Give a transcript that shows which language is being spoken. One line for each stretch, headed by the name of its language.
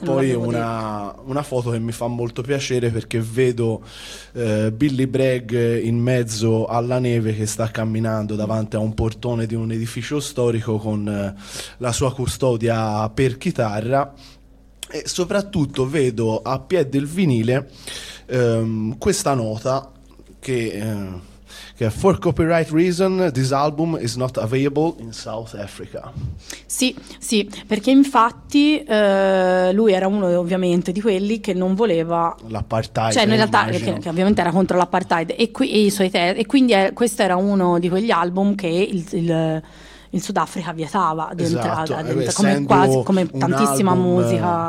Italian: e poi una foto che mi fa molto piacere, perché vedo Billy Bragg in mezzo alla neve che sta camminando davanti a un portone di un edificio storico con la sua custodia per chitarra, e soprattutto vedo a piè del vinile questa nota che...
English: For copyright reason, this album is not available in South Africa.
Italian: Sì, sì, perché infatti lui era uno ovviamente di quelli che non voleva l'apartheid. Cioè, in realtà, che ovviamente era contro l'apartheid, e quindi questo era uno di quegli album che il Sudafrica vietava di entrare, come quasi come tantissima musica.